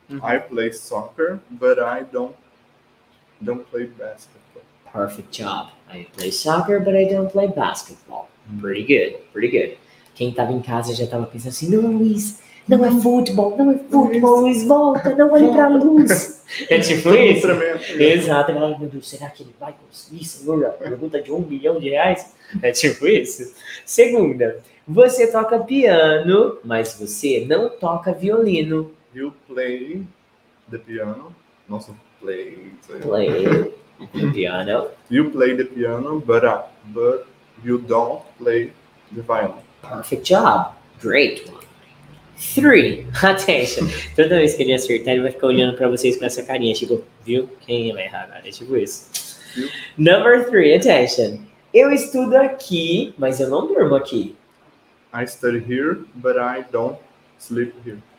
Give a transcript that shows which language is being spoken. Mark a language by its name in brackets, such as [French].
[English] I play soccer, but I don't play basketball. Perfect job. I play soccer, but I don't play basketball. Pretty good. [Portuguese] Quem tava em casa já tava pensando assim, não, Luiz, não é futebol, Luiz, volta, não olhe pra luz. É tipo isso? Exato. Ai, meu Deus, será que ele vai conseguir, senhor? Pergunta de R$1 milhão? É tipo isso? Segunda, você toca piano, mas você não toca violino. [English] You play the piano. [Portuguese] Nossa, [English] play. Play the piano. You play the piano, but you don't play the violin. Perfect job. Great one. 3. Attention. [Portuguese] Toda vez que ele acertar, ele vai ficar olhando pra vocês com essa carinha, tipo, viu? Quem vai errar agora? É tipo isso. [English] Number 3. Attention. [Portuguese] Eu estudo aqui, mas eu não durmo aqui. [English] I study here, but I don't sleep here.